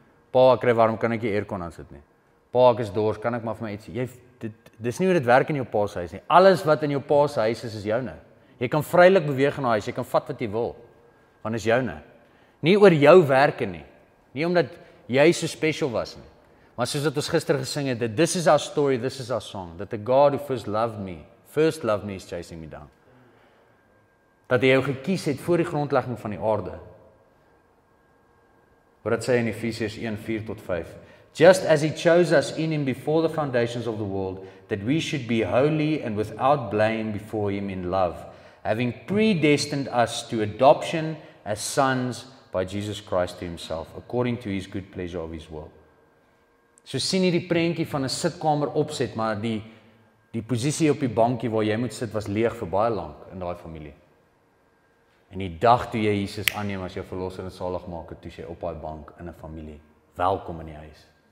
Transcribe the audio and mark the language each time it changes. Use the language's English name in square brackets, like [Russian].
[Afrikaans] Pa, ek ry warm, kan ek die aircon aan sit nie? Pa, ek is dors, kan ek maar vir my iets? Dit is nie hoe dit werk in jou pa's huis nie. Alles wat in jou pa's huis is, is joune. Jy kan vrylik beweeg in die huis, jy kan vat wat jy wil, want is joune. Nie oor jou werke nie. Nie omdat jy so special was nie. Maar soos dat ons gister gesing het, [English] this is our story, this is our song, that the God who first loved me is chasing me down. [Afrikaans] Dat hy jou gekies het voor die grondlegging van die aarde. Wat sê in Ephesians 1, 4 tot 5. [English] Just as he chose us in him before the foundations of the world, that we should be holy and without blame before him in love, having predestined us to adoption as sons by Jesus Christ to himself, according to his good pleasure of his will. [Afrikaans] So sien hier die prentjie van 'n sitkamer opzet, maar die posisie op die bankie waar jy moet sit was leeg vir baie lang in die familie. En die dag toe jy Jesus aanneem as jou verlosser en saligmaker, toe jy op die bank in een familie, welkom in die huis.